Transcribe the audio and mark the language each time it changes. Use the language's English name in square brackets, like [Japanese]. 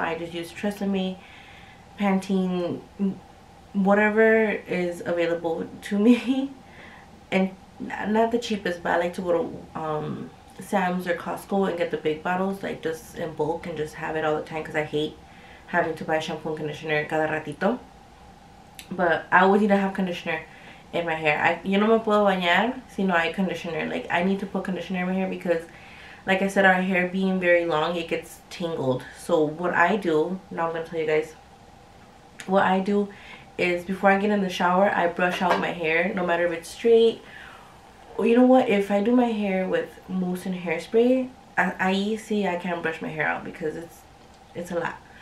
[English] I just use Tresemme, Pantene, whatever is available to me. And not the cheapest, but I like to go to Sam's or Costco and get the big bottles, like, just in bulk and just have it all the time, because I hate having to buy shampoo and conditioner [Spanish] cada ratito. [English] But I always need to have conditioner in my hair. [Spanish] You no me puedo bañar si no hay conditioner. [English] Like, I need to put conditioner in my hair because, like I said, our hair being very long, it gets tangled. So what I do, now I'm going to tell you guys, what I do is before I get in the shower, I brush out my hair, no matter if it's straight. Or, you know what, if I do my hair with mousse and hairspray, I can't brush my hair out because it's a lot.